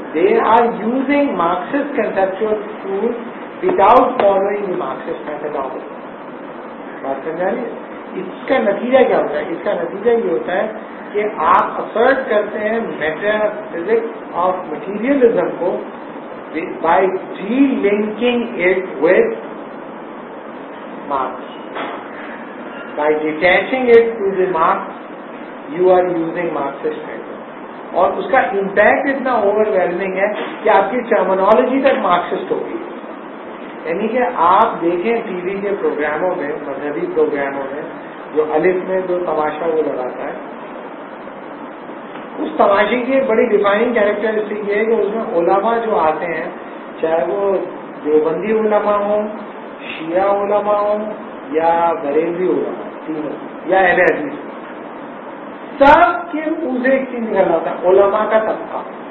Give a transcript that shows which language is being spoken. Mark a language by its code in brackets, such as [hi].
[en] They are using Marxist conceptual tool without following Marxist methodology. [hi] बात समझा रही है? इसका नतीजा क्या होता है? इसका नतीजा ये होता है कि आप असर्ट करते हैं [en] metaphysics of materialism [hi] को [en] By relinking it with Marx. By detaching it to the Marx, you are using Marxist method. [hi] और उसका impact इतना overwhelming है कि आपकी terminology तक Marxist होगी. यानी कि आप देखें टीवी के प्रोग्रामों में, मजहबी प्रोग्रामों में जो अलिफ में जो तमाशा वो लगाता है, उस तमाशे की बड़ी defining characteristic ये है कि उसमें उलमा जो आते हैं, चाहे वो देवबंदी उलमा हो, शिया उलमा हो या बरेली उलमा, तीनों या एल एजी, सब के ऊपर एक चीज निकलना था उलमा का तबका.